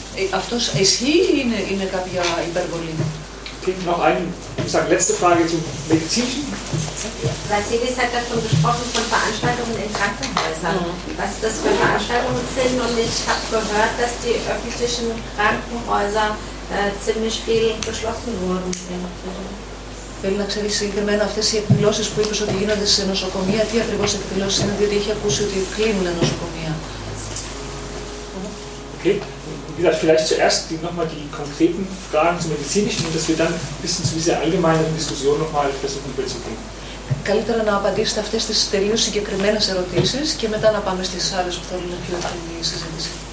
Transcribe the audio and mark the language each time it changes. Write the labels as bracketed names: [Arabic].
[Greek] Αυτός εσύ είναι κάποια υπερβολή. [German] Noch ein, ich sage, letzte Frage zum Medizinischen. Vasilis hat davon gesprochen, von Veranstaltungen in Krankenhäusern. Mhm. Was das für Veranstaltungen sind, und ich habe gehört, dass die öffentlichen Krankenhäuser ziemlich viel geschlossen wurden. [Greek] Θέλει να ξέρει συγκεκριμένα αυτές οι εκδηλώσεις που είπες ότι γίνονται σε νοσοκομεία, τι ακριβώς εκδηλώσεις είναι, διότι έχει ακούσει ότι κλείνουν νοσοκομεία. [German] Okay, wie gesagt, vielleicht zuerst nochmal die konkreten Fragen zum Medizinischen, und dass wir dann ein bisschen zu dieser allgemeinen Diskussion nochmal versuchen überzugehen. [Greek] Καλύτερα να απαντήσετε αυτές τις τελείως συγκεκριμένες ερωτήσεις και μετά να πάμε στις άλλες που θέλουν πιο αφήνει η συζήτηση.